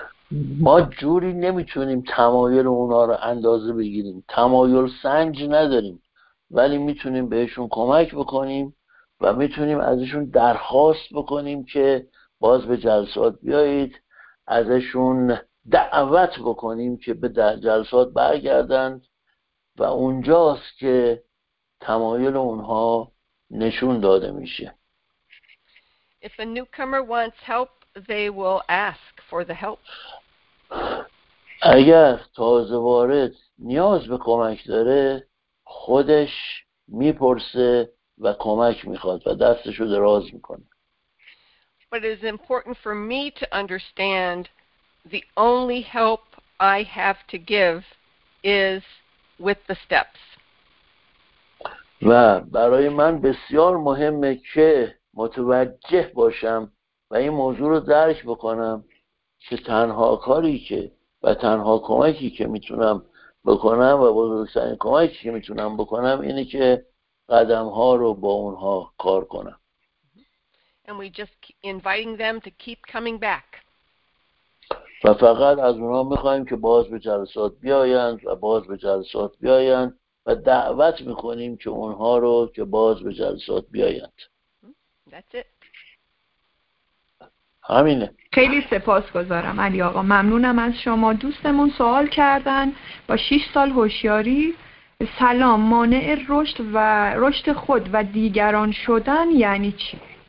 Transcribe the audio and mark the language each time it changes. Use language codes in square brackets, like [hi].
[fa] ما جوری نمیتونیم تمایل اونا رو اندازه بگیریم، تمایل سنج نداریم، ولی میتونیم بهشون کمک بکنیم و میتونیم ازشون درخواست بکنیم که باز به جلسات بیایید، ازشون دعوت بکنیم که به جلسات برگردند و اونجاست که تمایل اونها نشون داده میشه. [en] If a newcomer wants help, they will ask for the help. [fa] اگر تازه وارد نیاز به کمک داره، خودش میپرسه و کمک میخواد و دستشو دراز میکنه. [en] But it is important for me to understand the only help I have to give is with the steps. [fa] و برای من بسیار مهمه که متوجه باشم و این موضوع رو درک بکنم که تنها کاری که و تنها کمکی که میتونم بکنم و بزرگترین کمکی که میتونم بکنم اینه که قدم‌ها رو با اونها کار کنم. [en] And we just inviting them to keep coming back. [fa] و فقط از اونها میخوایم که باز به جلسات بیایند و باز به جلسات بیایند و دعوت میکنیم که اونها رو که باز به جلسات بیایند. همینه. خیلی سپاسگزارم علی آقا، ممنونم از شما. دوستمون سوال کردن با 6 سال هوشیاری، سلام، مانع رشد و رشد خود و دیگران شدن یعنی چی؟